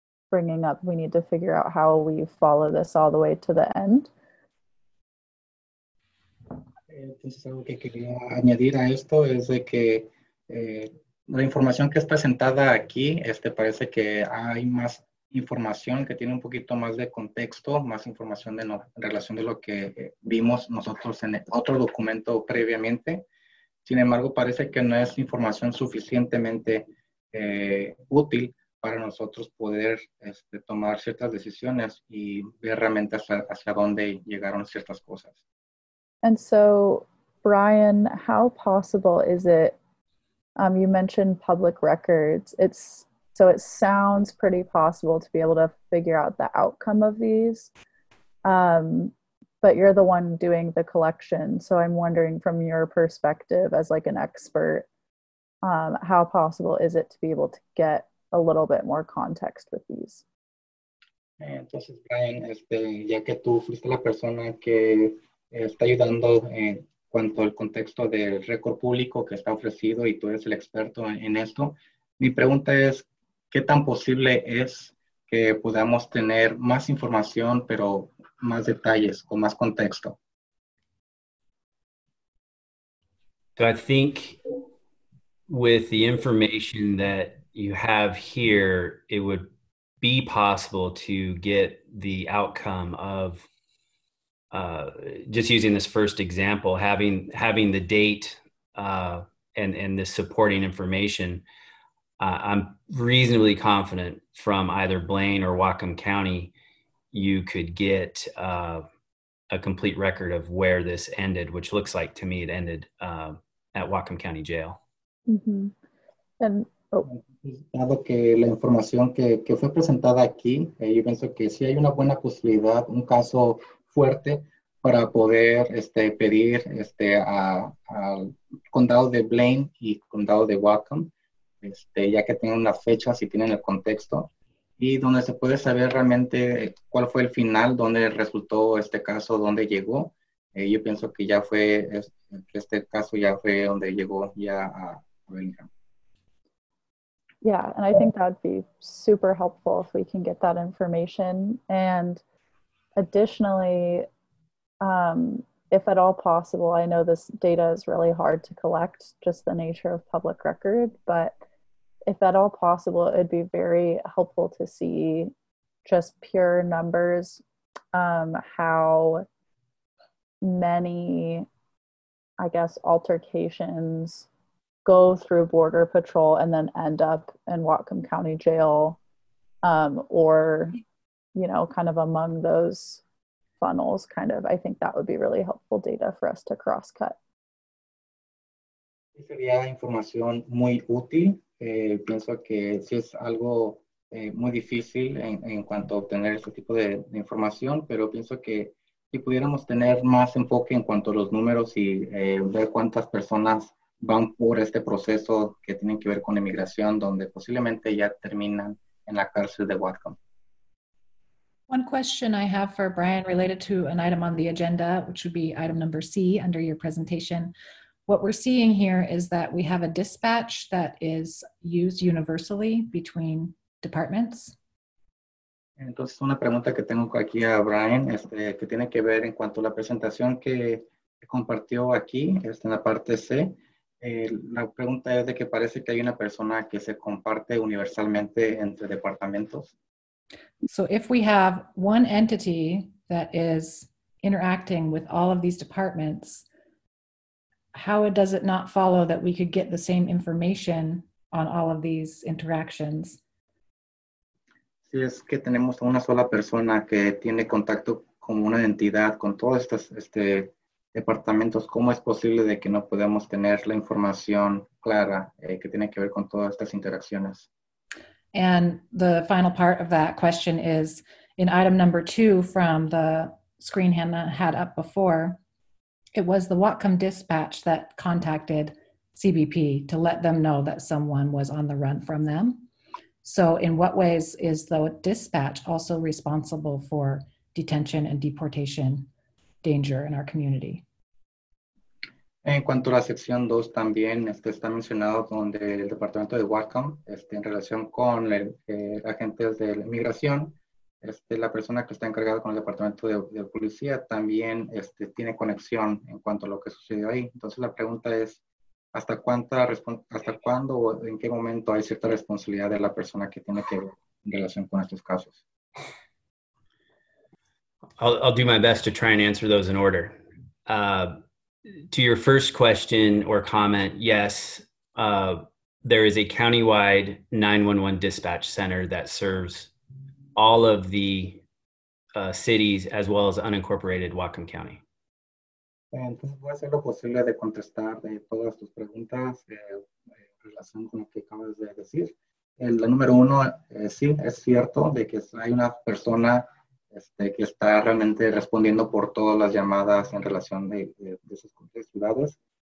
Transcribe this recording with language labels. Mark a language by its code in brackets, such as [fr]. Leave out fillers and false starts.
[en] bringing up, we need to figure out how we follow this all the way to the end. [es] Entonces, algo que quería añadir a esto es de que la información que es presentada aquí, parece que hay más información que tiene un poquito más de contexto, más información de en relación de lo que vimos nosotros en otro documento previamente. Sin embargo, parece que no es información suficientemente útil para nosotros poder tomar ciertas decisiones y ver realmente hacia dónde llegaron ciertas cosas. [en] And so, Brian, how possible is it, you mentioned public records, so it sounds pretty possible to be able to figure out the outcome of these, but you're the one doing the collection, so I'm wondering from your perspective as like an expert, how possible is it to be able to get a little bit more context with these? [es] Entonces, Brian, ya que tú fuiste la persona que está ayudando en cuanto al contexto del récord público que está ofrecido y tú eres el experto en esto, mi pregunta es, ¿qué tan posible es que podamos tener más información, pero más detalles, con más contexto? [en] So I think with the information that you have here, it would be possible to get the outcome of just using this first example, having the date and the supporting information, I'm reasonably confident from either Blaine or Whatcom County, you could get a complete record of where this ended, which looks like to me it ended at Whatcom County Jail. Mm-hmm. [es] Dado que la información que fue presentada aquí, yo pienso que sí hay una buena posibilidad, un caso fuerte, para poder pedir al condado de Blaine y condado de Whatcom, ya que tienen las fechas y tienen el contexto, y donde se puede saber realmente cuál fue el final, dónde resultó este caso, dónde llegó. Yo pienso que ya fue, este caso ya fue donde llegó ya a Bellingham. [en] Yeah, and I think that'd be super helpful if we can get that information. And additionally, if at all possible, I know this data is really hard to collect, just the nature of public record, but if at all possible, it'd be very helpful to see just pure numbers, how many, I guess, altercations go through Border Patrol and then end up in Whatcom County Jail, or, you know, kind of among those funnels, kind of. I think that would be really helpful data for us to cross cut. [es] Sería información muy útil. Pienso que sí es algo muy difícil en cuanto a obtener ese tipo de información, pero pienso que si pudiéramos tener más enfoque en cuanto a los números y ver cuántas personas van por este proceso que tienen que ver con inmigración, donde posiblemente ya terminan en la cárcel de Whatcom. [en] One question I have for Brian related to an item on the agenda, which would be item number C under your presentation. What we're seeing here is that we have a dispatch that is used universally between departments. [es] Entonces, una pregunta que tengo aquí a Brian, que tiene que ver en cuanto a la presentación que compartió aquí, en la parte C. La pregunta es de que parece que hay una persona que se comparte universalmente entre departamentos. [en] So if we have one entity that is interacting with all of these departments, how does it not follow that we could get the same information on all of these interactions? [es] Si es que tenemos una sola persona que tiene contacto con una entidad con todos estos departamentos, ¿cómo es posible de que no podamos tener la información clara que tiene que ver con todas estas interacciones? [en] And the final part of that question is, in item number 2 from the screen Hannah had up before, it was the Whatcom dispatch that contacted CBP to let them know that someone was on the run from them. So in what ways is the dispatch also responsible for detention and deportation danger in our community? [es] En cuanto a la sección 2, también está mencionado donde el departamento de Whatcom, en relación con el agentes de la migración, la persona que está encargada con el departamento de policía también tiene conexión en cuanto a lo que sucedió ahí. Entonces la pregunta es, ¿hasta cuándo o en qué momento hay cierta responsabilidad de la persona que tiene que ver en relación con estos casos? [en] I'll do my best to try and answer those in order. To your first question or comment, yes, there is a countywide 911 dispatch center that serves all of the cities as well as unincorporated Whatcom County. [es] Entonces, voy a hacer lo posible de contestar de todas tus preguntas en relación con lo que acabas de decir. La número uno, sí, es cierto de que hay una persona que está realmente respondiendo por todas las llamadas en relación de esas ciudades.